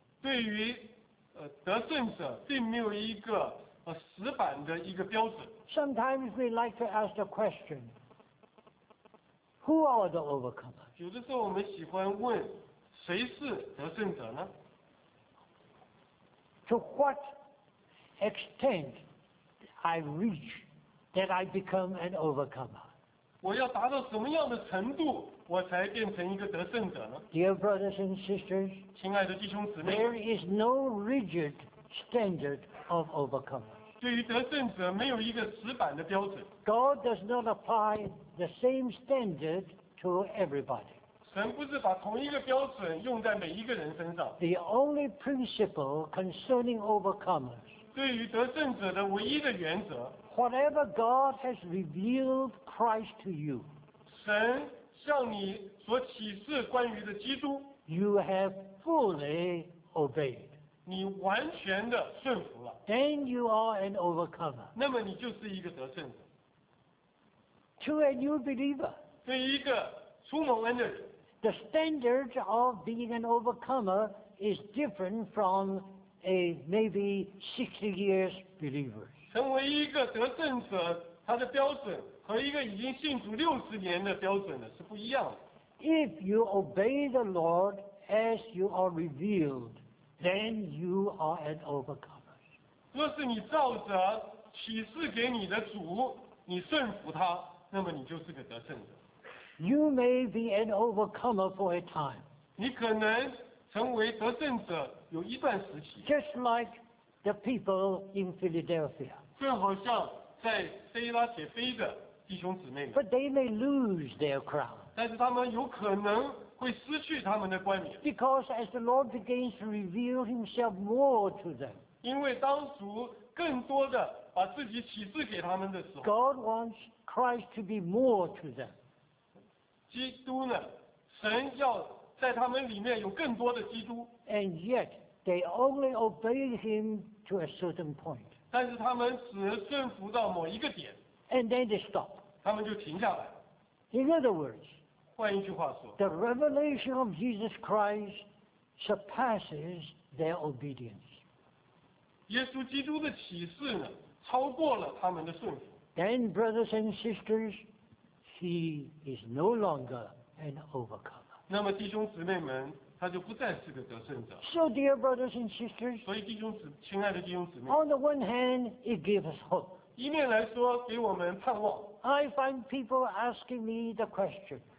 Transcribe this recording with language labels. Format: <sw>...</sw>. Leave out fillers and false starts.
<zh>对于得胜者，并没有一个死板的一个标准。</zh> <en>Sometimes we like to ask the question, "Who are the overcomers?"</en> <zh>有的时候我们喜欢问，谁是得胜者呢？</zh> <en>To what extent? I reach that I become an overcomer.</en> <zh>我要达到什么样的程度，我才变成一个得胜者呢？</zh> <en>Dear brothers and sisters,</en> <zh>亲爱的弟兄姊妹，</zh> <en>there is no rigid standard of overcomers.</en> <zh>对于得胜者没有一个死板的标准。</zh> <en>God does not apply the same standard to everybody.</en> <zh>神不是把同一个标准用在每一个人身上。</zh> <en>The only principle concerning overcomers.</en> <zh>对于得胜者的唯一的原则</zh> <en>，Whatever God has revealed Christ to you，</en> <zh>神向你所启示关于的基督</zh> <en>，You have fully obeyed，</en> <zh>你完全的顺服了</zh> <en>，Then you are an overcomer，</en> <zh>那么你就是一个得胜者。</zh> <en>To a new believer，</en> <zh>对一个初蒙恩的人</zh> <en>，The standard of being an overcomer is different from。 A maybe 60 years believer.</en> <zh>成为一个得胜者，他的标准和一个已经信主60年的标准呢是不一样的。</zh> <en>If you obey the Lord as you are revealed, then you are an overcomer.</en> <zh>若是你照着启示给你的主，你顺服他，那么你就是个得胜者。</zh> <en>You may be an overcomer for a time.</en> <zh>你可能成为得胜者。有一段时期</zh> <en>Just like the people in Philadelphia.</en> <zh>正好像在腓拉铁菲的弟兄姊妹们</zh> <en>But they may lose their crown.</en> <zh>但是他们有可能会失去他们的冠冕</zh> <en>Because as the Lord begins to reveal himself more to them.</en> <zh>因为当主更多的把自己启示给他们的时候</zh> <en>God wants Christ to be more to them.</en> <zh>基督呢神要在他们里面有更多的基督</zh> <en>And yet they only obey him to a certain point.</en> <zh>但是他们只顺服到某一个点</zh> <en>And then they stop.</en> <zh>他们就停下来</zh> <en>In other words,</en> <zh>换一句话说</zh> <en>The revelation of Jesus Christ surpasses their obedience.</en> <zh>耶稣基督的启示呢，超过了他们的顺服</zh> <en>Then brothers and sisters, he is no longer an overcomer.</en> <zh>那么弟兄姊妹们，他就不再是个得胜者。</zh> <en>So dear brothers and sisters,</en> <zh>所以弟兄姊，亲爱的弟兄姊妹。</zh> <en>On the one hand, it gives hope.</en> <zh>一面来说给我们盼望。</zh> <en>I find people asking me the question.</en>